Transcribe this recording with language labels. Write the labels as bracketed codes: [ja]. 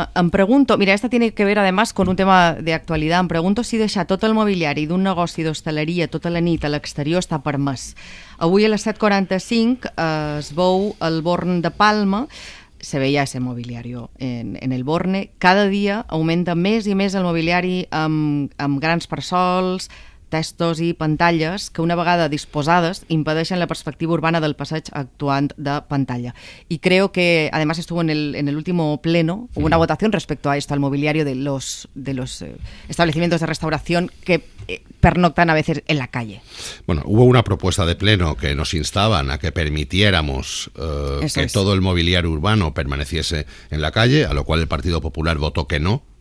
[es] Pregunto, mira, esta tiene que ver además con un tema de actualidad. [ca] Pregunto si deixar tot el mobiliari d'un negoci d'hostaleria tota la nit a l'exterior està permès. Avui a les 7:45 es veu el Born de Palma, [es] se veia ese [ca] mobiliari en el Borne. Cada dia augmenta més i més el mobiliari amb grans parasols, testos i pantalles que una vegada disposades impedeixen la perspectiva urbana del passeig actuant de pantalla. [es] Y creo que además estuvo en el último pleno, hubo una votación respecto a esto, al mobiliario de los establecimientos de restauración que pernoctan a veces en la calle. Bueno, hubo una propuesta de pleno que nos instaban a que permitiéramos todo el mobiliario urbano permaneciese en la calle, a lo cual el Partido Popular votó que no.